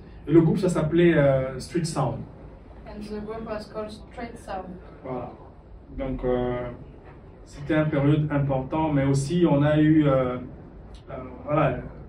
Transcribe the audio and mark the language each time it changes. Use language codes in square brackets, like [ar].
[fr] Et le groupe, ça s'appelait Street Sound. [en] And the group was called Street Sound. Voilà. [fr] Donc, c'était une période importante, mais aussi, on a eu... voilà.